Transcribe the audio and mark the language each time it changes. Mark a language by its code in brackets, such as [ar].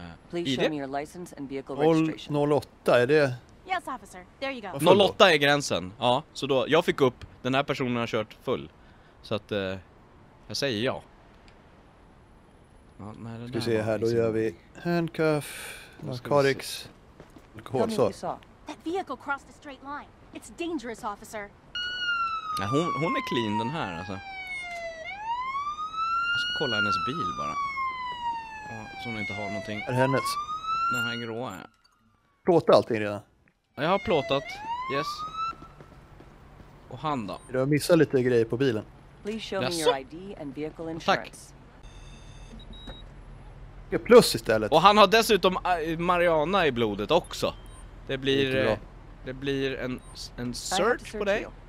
[en] Please show me your license and vehicle registration. [sv] 08, är det? [en] Yes, officer. There you go. [sv] 08 är gränsen. Ja, så då, jag fick upp, den här personen har kört full. Så att, jag säger ja. Ska vi se här, då gör vi handcuff, narkotics, alkohol, så. [en] That vehicle crossed a straight line. It's dangerous, officer. [sv] Nej, hon är clean, den här, alltså. Jag ska kolla hennes bil bara. Ja, så hon inte har någonting. Är det hennes? Den här gråa, ja. Plåta allting redan? Ja, jag har plåtat. Yes. Och han då? Du har missat lite grejer på bilen. [en] Please show me your ID and vehicle insurance. [sv] Tack. Plus istället. Och han har dessutom Mariana i blodet också. Det blir en search på dig.